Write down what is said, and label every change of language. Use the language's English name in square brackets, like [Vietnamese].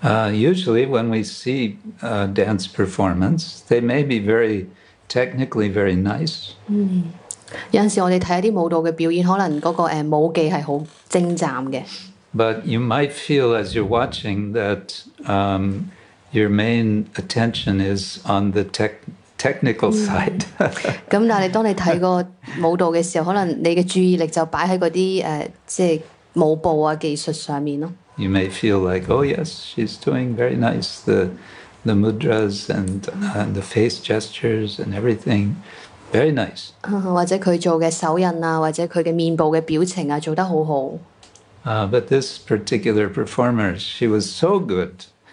[English] Usually when we see a dance performance, they may be very technically very nice. [Cantonese] 有時我哋睇一啲舞蹈嘅表演，可能嗰個舞技係好精湛嘅。 [English] But you might feel as you're watching that your main attention is on the technical side. [Cantonese] 咁但係當你睇個舞蹈嘅時候，可能你嘅注意力就擺喺嗰啲即係舞步啊技術上面咯。 [English] You may feel like, oh yes, she's doing very nice the mudras and the face gestures and everything. Very nice. [Cantonese] 或者佢做嘅手印啊，或者佢嘅面部嘅表情啊，做得好好。 [English] But this particular performer, she was so good.